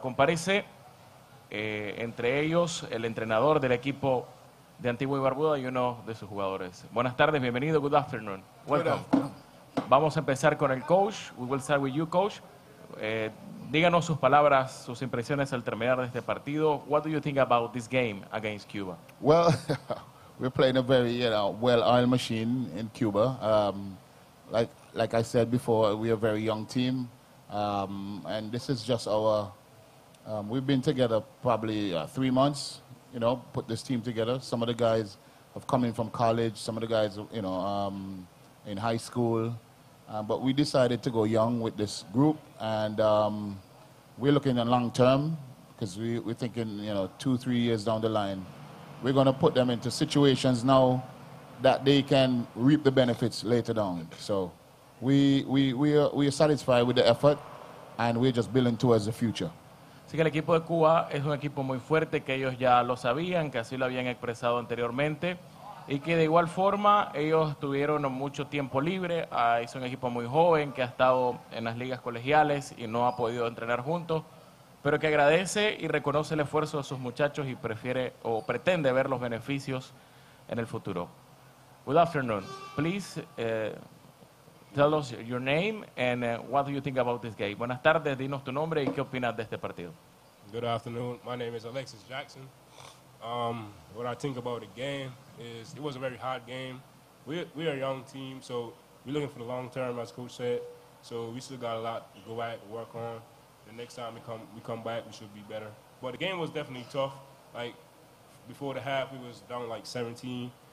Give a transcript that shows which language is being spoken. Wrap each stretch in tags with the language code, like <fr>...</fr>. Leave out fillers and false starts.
<es>Comparece entre ellos el entrenador del equipo de Antigua y Barbuda y uno de sus jugadores. Buenas tardes, bienvenido,</es> <en>good afternoon. Welcome.</en> <es>Vamos a empezar con el coach.</es> <en>We will start with you, coach.</en> <es>Díganos sus palabras, sus impresiones al terminar de este partido.</es> <en>What do you think about this game against Cuba? Well, we're playing a very, you know, well-oiled machine in Cuba. Like I said before, we are a very young team. And this is just our... we've been together probably 3 months. You know, put this team together. Some of the guys have come in from college. Some of the guys, you know, in high school. But we decided to go young with this group. And we're looking at long term because we're thinking, you know, 2-3 years down the line. We're going to put them into situations now that they can reap the benefits later down. So we are satisfied with the effort and we're just building towards the future.</en> <es>Así que el equipo de Cuba es un equipo muy fuerte, que ellos ya lo sabían, que así lo habían expresado anteriormente, y que de igual forma ellos tuvieron mucho tiempo libre. Es un equipo muy joven que ha estado en las ligas colegiales y no ha podido entrenar juntos, pero que agradece y reconoce el esfuerzo de sus muchachos y prefiere o pretende ver los beneficios en el futuro.</es> <en>Good afternoon. Please tell us your name and what do you think about this game.</en> <es>Buenas tardes, dinos tu nombre y qué opinas de este partido.</es> <en>Good afternoon. My name is Alexis Jackson. What I think about the game is it was a very hard game. We are a young team, so we're looking for the long term, as coach said. So we still got a lot to go back and work on. The next time we come back, we should be better. But the game was definitely tough. Like before the half, we was down like 17.</en>